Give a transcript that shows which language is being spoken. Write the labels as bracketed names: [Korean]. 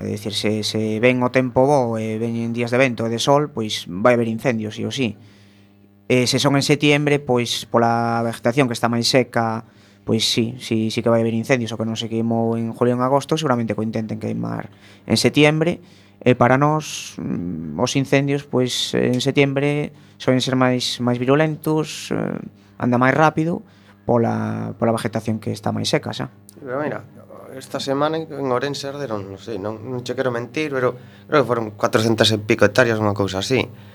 [Galician] É dicir, se ven o tempo bo e ven días de vento e de sol, pois vai haber incendios, sí o sí. Se son en septiembre, pois pola vegetación que está máis seca, [Spanish] pues sí, sí, sí que va a haber incendios, [Galician] o que non se quemó en julio en agosto, seguramente que intenten queimar en setiembre. Para nós, os incendios, pues en setiembre suelen ser máis virulentos, anda máis rápido pola vegetación que está máis seca, xa. Pero mira, esta semana en Ourense arderon, non sei, non che quero mentir, pero creo que foron 400 e pico hectáreas, unha cousa así.